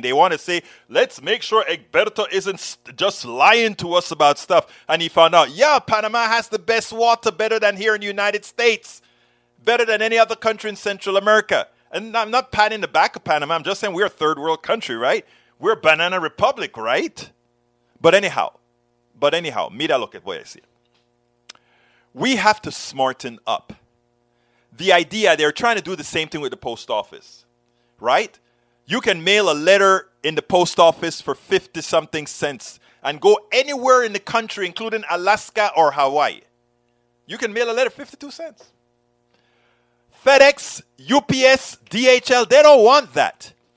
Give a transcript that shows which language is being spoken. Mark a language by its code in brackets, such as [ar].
[en] They want to say, let's make sure Egberto isn't just lying to us about stuff. And he found out, yeah, Panama has the best water, better than here in the United States, better than any other country in Central America. And I'm not patting the back of Panama. I'm just saying we're a third world country, right? We're a banana republic, right? But anyhow, [es] mira lo que voy a decir. [en] We have to smarten up. The idea, they're trying to do the same thing with the post office, right? You can mail a letter in the post office for 50-something cents and go anywhere in the country, including Alaska or Hawaii. You can mail a letter 52 cents. FedEx, UPS, DHL, they don't want that.